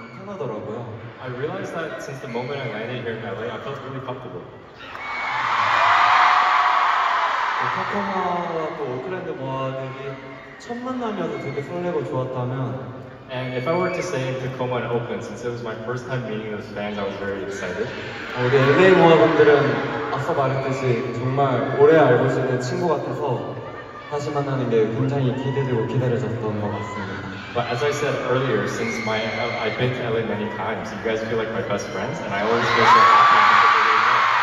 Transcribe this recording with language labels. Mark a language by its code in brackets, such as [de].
[en] I realized that since the moment I landed here in LA, I felt really comfortable. [ko] 타코마와 또 오클랜드 모아들이 첫 만남이어서 되게 설레고 좋았다면 [en] And if I were to say Tacoma and Oakland, since it was my first time meeting those fans, I was very excited. [ko] 우리 LA 모아분들은 앞서 말했듯이 정말 오래 알고 있는 친구 같아서 다시 만나는 게 굉장히 기대되고 기다려졌던 것 같습니다. [en] But as I said earlier, since my I've been to LA many times, you guys feel like my best friends, and I always feel so happy.